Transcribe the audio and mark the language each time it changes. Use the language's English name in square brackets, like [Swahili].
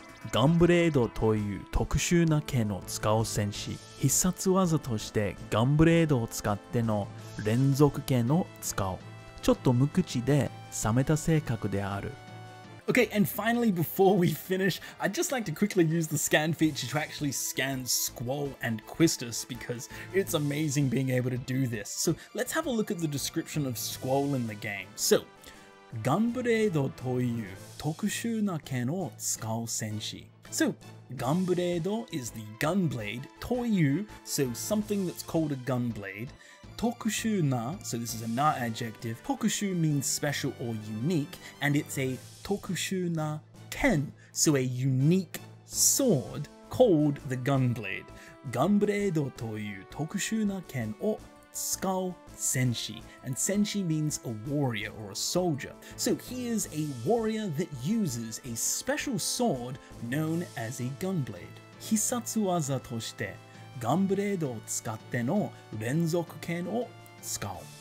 [Japanese] ガンブレードという特殊な剣を使う戦士。必殺技としてガンブレードを使っての連続剣を使う。ちょっと無口で冷めた性格である。 [English] Okay, and finally, before we finish, I'd just like to quickly use the scan feature to actually scan Squall and Quistus because it's amazing being able to do this. So let's have a look at the description of Squall in the game. So, [Japanese] ガンブレードという特殊な剣を使う戦士。 [English] So, ガンブレード is the gun blade. という, so something that's called a gun blade. [Japanese] 特殊な, [English] so this is a な adjective. 特殊 means special or unique, and it's a 特殊な剣, so a unique sword called the gun blade. [Japanese] ガンブレードという特殊な剣を使う戦士. [English] And 戦士 means a warrior or a soldier. So he is a warrior that uses a special sword known as a gun blade. [Japanese] 必殺技としてガンブレードを使っての連続剣を使う。